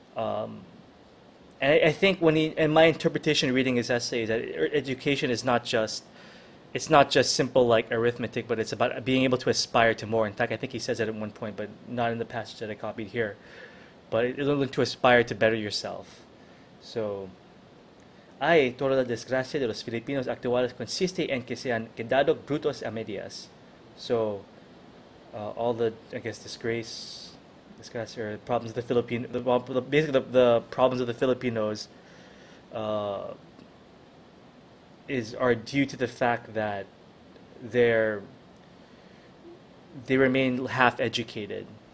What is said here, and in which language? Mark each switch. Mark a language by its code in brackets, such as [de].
[en] And I think when he, and my interpretation of reading his essay is that education is not just, it's not just simple like arithmetic, but it's about being able to aspire to more. In fact, I think he says that at one point, but not in the passage that I copied here. But it's learning to aspire to better yourself. [es] So, ay, toda la desgracia de los Filipinos actuales consiste en que se han quedado brutos a medias. [en] So, all the, I guess, disgrace. Discuss here the problems of the Filipino, the basically the problems of the Filipinos are due to the fact that they remain halfway educated.